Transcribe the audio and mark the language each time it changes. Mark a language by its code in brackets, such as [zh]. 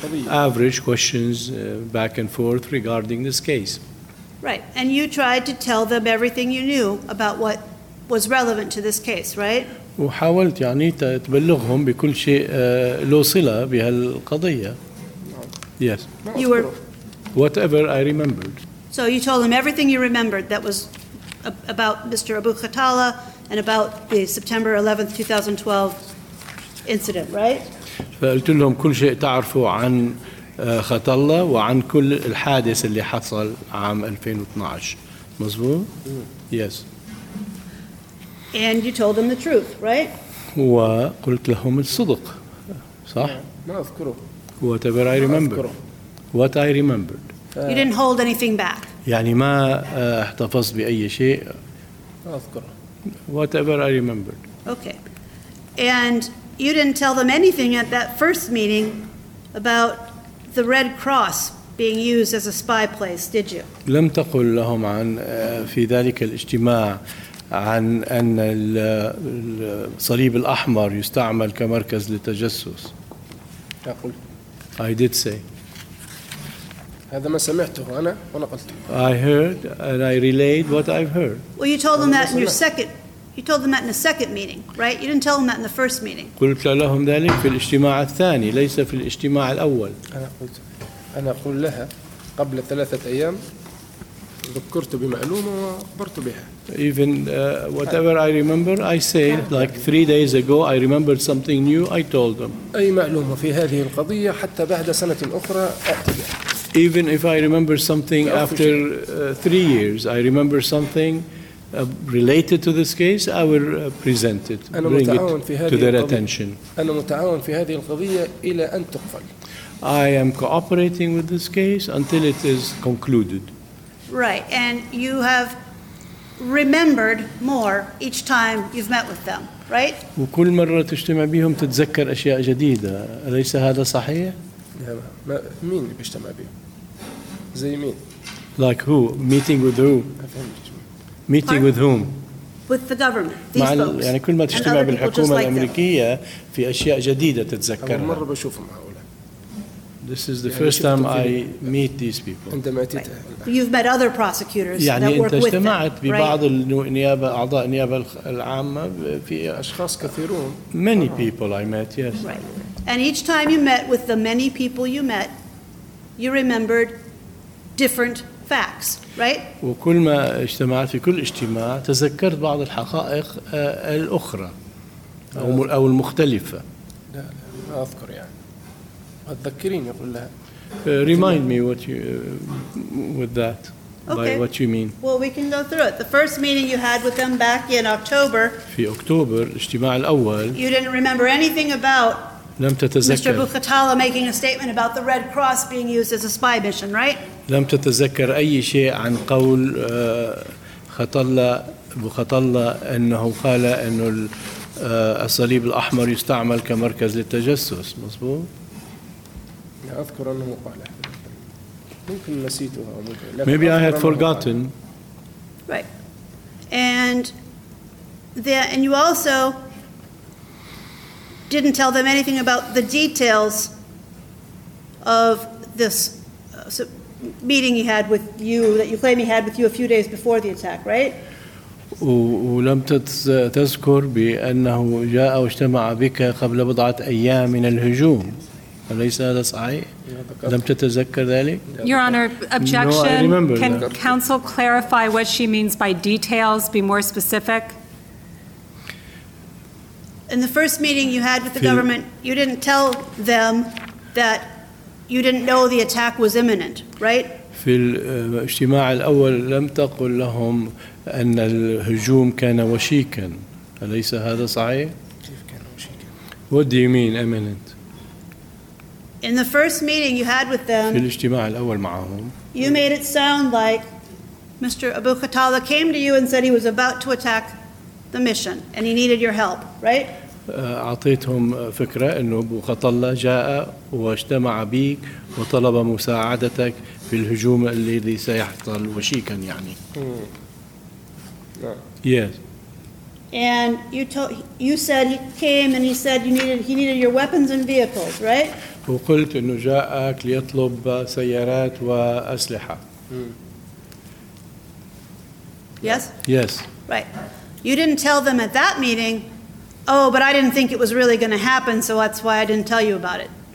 [en] average questions back and forth regarding this case right and you tried to tell them everything you knew about what was relevant to this case right [ar] وحاولت يعني تبلغهم بكل شيء له صلة بهالقضية. [en] Yes. You were. Whatever I remembered. So you told them everything you remembered that was about Mr. Abu Khattala and about the September 11th, 2012 incident, right? [ar] فقلت لهم كل شيء تعرفوا عن خطلة وعن كل الحادث اللي حصل عام 2012. مظبوط؟ [en] Yes. And you told them the truth, right? [ar] وقلت لهم الصدق، صح؟ ما أذكره. [en] Whatever I remember. What I remembered. You didn't hold anything back. [ar] يعني ما احتفظ بأي شيء. ما أذكره. [en] Whatever I remembered. Okay. And you didn't tell them anything at that first meeting about the Red Cross being used as a spy place, did you? [ar] لم تقل لهم عن في ذلك الاجتماع. عن أن الصليب الأحمر يستعمل كمركز للتجسس. أقول. [en] I did say. [ar] هذا ما سمعته أنا وأنا قلته. [en] I heard and I relayed what I've heard. Well, you told them that in your second. You told them that in the second meeting, right? You didn't tell them that in the first meeting. [ar] قلت لهم ذلك في الاجتماع الثاني ليس في الاجتماع الأول. أنا قلت لها قبل ثلاثة أيام. ذكرت بمعلومة وأخبرت بها. [en] Even whatever I remember, I say like three days ago, I remembered something new. I told them. [ar] أي معلومة في هذه القضية حتى بعد سنة أخرى أعطيها. [en] Even if I remember something after three years, I remember something related to this case, I will present it, bring it to their attention. [ar] أنا متعاون في هذه القضية إلى أن تقفل. [en] I am cooperating with this case until it is concluded. Right, and you have remembered more each time you've met with them, right? [ar] وكل مرة تجتمع بهم تتذكر أشياء جديدة. أليس هذا صحيح؟ ما مين اللي بيجتمع بهم؟ زي مين؟ [en] Like who? Meeting with who? Meeting with whom? With the government. These folks. [ar] يعني كل ما تجتمع بالحكومة الأمريكية في أشياء جديدة تتذكرها. أول مرة بشوفهم هؤلاء. [en] This is the first time I meet these people. Right. You've met other prosecutors [ar] يعني [en] that work with them, [ar] اجتمعت ببعض النيابة أعضاء النيابة العامة في أشخاص كثيرون. [en] Many people I met, yes. Right. And each time you met with the many people you met, you remembered different facts, right? [ar] وكل ما اجتمعت في كل اجتماع تذكرت بعض الحقائق الأخرى أو المختلفة. لا أذكر يعني. أتذكرين يقول لها [en] Remind me what you with that, okay. By what you mean. Well, we can go through it. The first meeting you had with them back in October. [ar] في أكتوبر الاجتماع الأول. [en] You didn't remember anything about [ar] لم تتذكر. [en] Bukatala making a statement about the Red Cross being used as a spy mission, right? [ar] لم تتذكر أي شيء عن قول خطلة بخطلة أنه قال إنه الصليب الأحمر يستعمل كمركز للتجسس مظبوط؟ لا أذكر أنه قال ممكن نسيتها [en] Maybe I had forgotten. Right. And the, and you also didn't tell them anything about the details of this meeting he had with you that you claim he had with you a few days before the attack, right? [ar] ولم تذكر بأنه جاء واجتمع بك قبل بضعة أيام من الهجوم أليس هذا صحيح؟ لم تتذكر ذلك؟ [en] Your Honor, objection. No, I remember. Can counsel clarify what she means by details? Be more specific. In the first meeting you had with the government, you didn't tell them that you didn't know the attack was imminent, right? [ar] في الاجتماع الأول لم تقل لهم أن الهجوم كان وشيكا أليس هذا صحيح؟ [en] What do you mean imminent? In the first meeting you had with them [ar] في الاجتماع الأول معهم [en] You made it sound like Mr. Abu Khattala came to you and said he was about to attack the mission and he needed your help, right? [ar] أعطيتهم فكرة أنه أبو خطلة جاء واجتمع بك وطلب مساعدتك في الهجوم الذي سيحصل وشيكا يعني [en] Yes. And you said he came and he needed your weapons and vehicles, right? [ar] وقلت إنه جاءك ليطلب سيارات وأسلحة. [en] Yes. Yes. Right. You didn't tell them at that meeting. Oh, but I didn't think it was really going to happen, so that's why I didn't tell you about it.